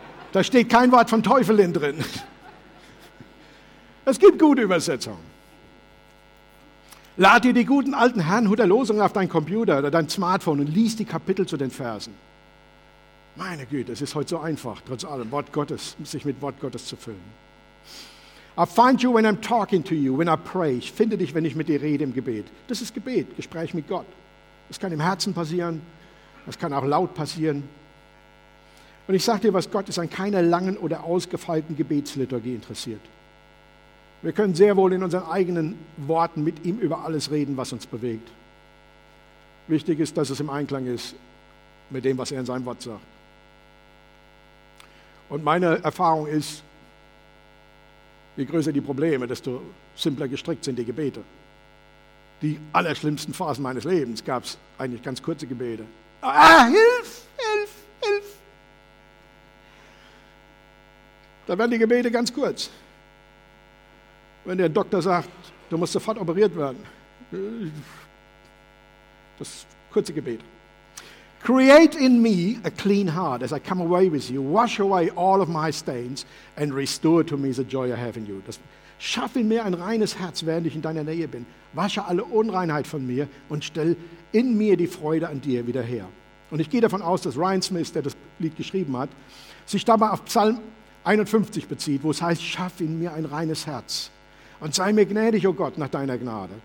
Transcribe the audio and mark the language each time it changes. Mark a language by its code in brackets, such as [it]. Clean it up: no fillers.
[de] Da steht kein Wort von Teufelin drin. Es gibt gute Übersetzungen. Lad dir die guten alten Herrnhuter Losungen auf dein Computer oder dein Smartphone und lies die Kapitel zu den Versen. Meine Güte, es ist heute so einfach, trotz allem, Wort Gottes, sich mit Wort Gottes zu füllen. [en] I find you when I'm talking to you, when I pray. [de] Ich finde dich, wenn ich mit dir rede im Gebet. Das ist Gebet, Gespräch mit Gott. Das kann im Herzen passieren, das kann auch laut passieren. Und ich sage dir was, Gott ist an keiner langen oder ausgefeilten Gebetsliturgie interessiert. Wir können sehr wohl in unseren eigenen Worten mit ihm über alles reden, was uns bewegt. Wichtig ist, dass es im Einklang ist mit dem, was er in seinem Wort sagt. Und meine Erfahrung ist, je größer die Probleme, desto simpler gestrickt sind die Gebete. Die allerschlimmsten Phasen meines Lebens gab es eigentlich ganz kurze Gebete. Ah, hilf, hilf, hilf. Da werden die Gebete ganz kurz. Wenn der Doktor sagt, du musst sofort operiert werden. Das kurze Gebet. [en] Create in me a clean heart as I come away with you. Wash away all of my stains and restore to me the joy I have in you. [de] Das, schaff in mir ein reines Herz, während ich in deiner Nähe bin. Wasche alle Unreinheit von mir und stell in mir die Freude an dir wieder her. Und ich gehe davon aus, dass Ryan Smith, der das Lied geschrieben hat, sich dabei auf Psalm 51 bezieht, wo es heißt, schaff in mir ein reines Herz und sei mir gnädig, o Gott, nach deiner Gnade.